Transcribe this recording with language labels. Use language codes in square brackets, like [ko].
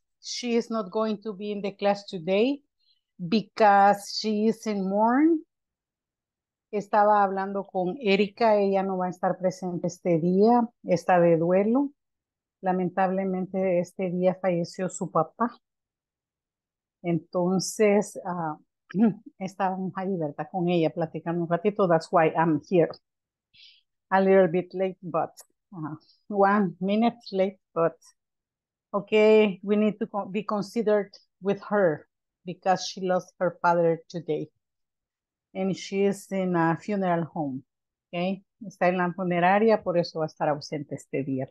[en] She is not going to be in the class today because she is in mourn. [es] Estaba hablando con Erika, ella no va a estar presente este día, está de duelo. Lamentablemente este día falleció su papá. Entonces, estábamos ahí, ¿verdad? Con ella platicando un ratito. [en] That's why I'm here. A little bit late, but 1 minute late, but okay, we need to be considered with her because she lost her father today. And she is in a funeral home. Okay. [es] Está en la funeraria, por eso va a estar ausente este día.